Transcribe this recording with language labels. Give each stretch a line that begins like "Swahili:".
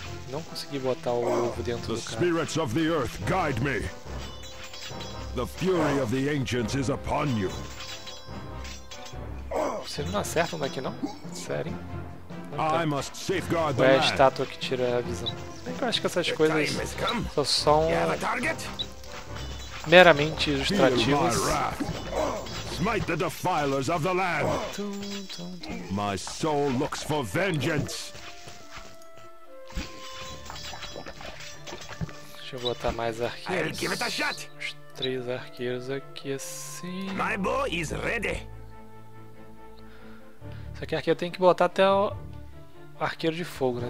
Portuguese: Não consegui botar o ovo dentro do cara.
English: The spirits of the earth guide me. The fury of the ancients is upon you.
Portuguese: Você não acerta daqui não? Sério?
English: I must safeguard the land.
Portuguese: É a estátua que tira a visão. Bem que eu acho que essas coisas são só meramente ilustrativas.
English: Smite the defilers of the land. My soul looks for vengeance.
Portuguese: Deixa eu botar mais arqueiros. Os três arqueiros aqui assim.
English: My bow is ready.
Portuguese: Só que arqueiro tem que botar até o arqueiro de fogo, né?